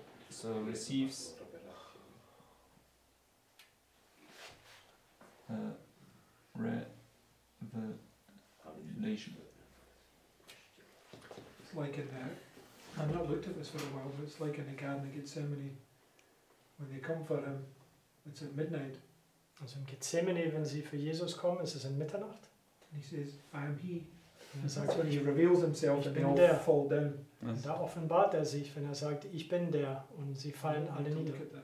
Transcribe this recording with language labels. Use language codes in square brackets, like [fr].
[en] So receives revelation. It's like in that, I've not looked at this for a while, but it's like in the Garden of Gethsemane, when they come for him, it's at midnight. [de] Also in Gethsemane, wenn sie für Jesus kommen, ist es in Mitternacht. [en] And he says, I am he. And that's when he reveals himself and they all [de] der. [en] Fall down. Yes. [de] Da offenbart sich, wenn sagt, ich bin der, und sie fallen alle nieder.